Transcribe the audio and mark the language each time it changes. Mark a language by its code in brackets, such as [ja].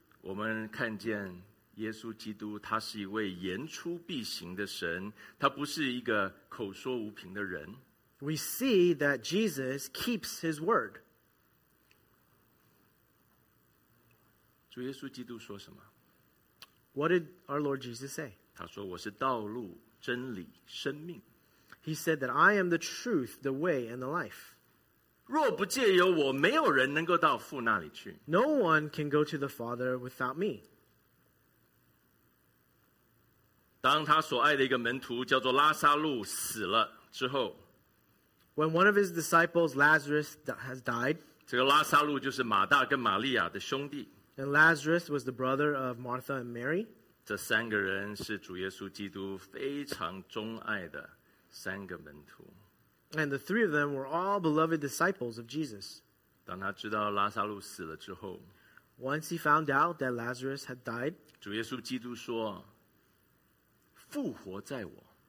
[zh] 我们看见耶稣基督他是一位言出必行的神，他不是一个口说无凭的人。 [en] We see that Jesus keeps his word. [zh] 主耶稣基督说什么？ [en] What did our Lord Jesus say? [zh] 他说我是道路、真理、生命。 [en] He said that I am the truth, the way, and the life. [zh] 若不借由我，没有人能够到父那里去。 [en] No one can go to the Father without me. [zh] 当他所爱的一个门徒叫做拉撒路死了之后， [en] When one of his disciples, Lazarus, has died, [zh] 这个拉撒路就是马大跟玛利亚的兄弟。 [en] And Lazarus was the brother of Martha and Mary. [zh] 这三个人是主耶稣基督非常钟爱的三个门徒。 [en] And the three of them were all beloved disciples of Jesus. [zh] 当他知道拉撒路死了之后， [en] Once he found out that Lazarus had died, [zh] 主耶稣基督说，复活在我。